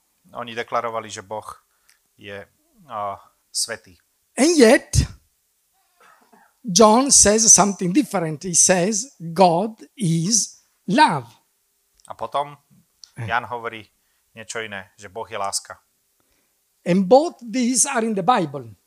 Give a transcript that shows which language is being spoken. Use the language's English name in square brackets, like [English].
[Slovak] Oni deklarovali, že Boh je svätý. [English] And yet John says something different. He says God is love. [Slovak] A potom Jan hovorí niečo iné, že Boh je láska. [English] And both these are in the Bible.